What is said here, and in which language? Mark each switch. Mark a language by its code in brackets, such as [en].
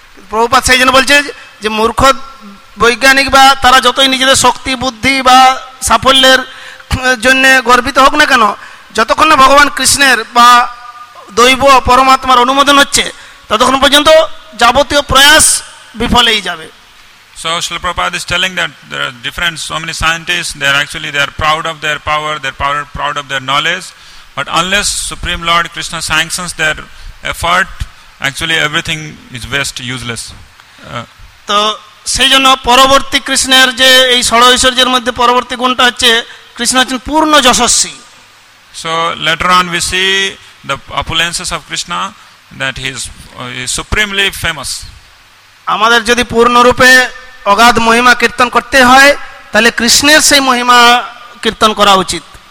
[bn] Prabhupada sai jene bolche je murkho বৈজ্ঞানিক বা তারা যতই নিজেদের শক্তি বুদ্ধি বা সাফল্যের জন্য গর্বিত হোক না কেন যতক্ষণ না ভগবান কৃষ্ণের বা দৈব পরমাত্মার অনুমোদন হচ্ছে ততক্ষণ পর্যন্ত যাবতীয় প্রয়াস বিফলেই যাবে [en] So Srila Prabhupada is telling that there are different so many scientists they are proud of their power they are proud of their knowledge but unless supreme lord krishna sanctions their effort actually everything is waste useless [bn] তো সেই জন্য পরবর্তী কৃষ্ণের যে এই ষড় ঐশ্বর্যের মধ্যে পরবর্তী গুণটা হচ্ছে কৃষ্ণ হচ্ছেন পূর্ণ যশস্বী [en] so later on we see the opulences of Krishna that he is supremely famous [bn] আমাদের যদি পূর্ণরূপে অগাধ মহিমা কীর্তন করতে হয় তাহলে কৃষ্ণের সেই মহিমা কীর্তন করা উচিত